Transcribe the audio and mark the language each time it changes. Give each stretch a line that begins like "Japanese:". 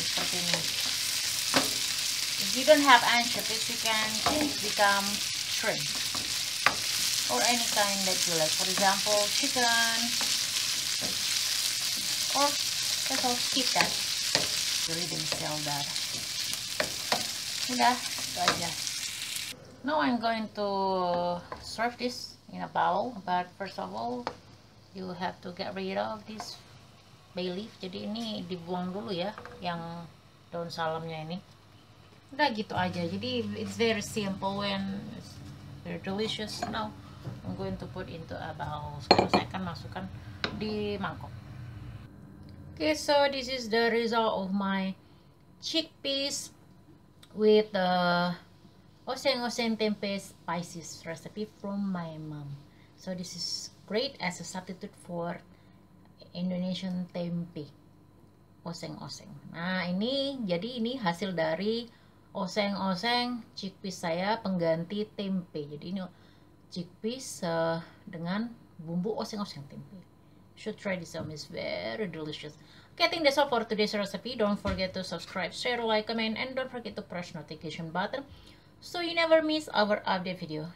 English: If you don't have anchovies, you can change become shrimp or any kind that you like. For example, chicken or just keep that. You didn't sell that.
Indonesian: Udah, itu aja.
English: Now I'm going to serve this in a bowl. But first of all, you have to get rid of this bay leaf.
Indonesian: Jadi ini dibuang dulu ya, yang daun salamnya ini. Udah gitu aja.
English: Jadi it's very simple and it's very delicious. Now I'm going to put into a bowl.
Indonesian: Sekarang saya akan masukkan di mangkok.
English: Okay, so this is the result of my chickpeas with the oseng oseng tempeh spices recipe from my mom. So this is great as a substitute for Indonesian tempeh oseng oseng.
Indonesian: Nah ini, jadi ini hasil dari oseng oseng chickpeas saya pengganti tempeh. Jadi ini chickpeas dengan bumbu oseng oseng tempeh.
English: Should try this one, it's very delicious. Okay, I think that's all for today's recipe. Don't forget to subscribe, share, like, comment, and don't forget to press notification button so you never miss our update video.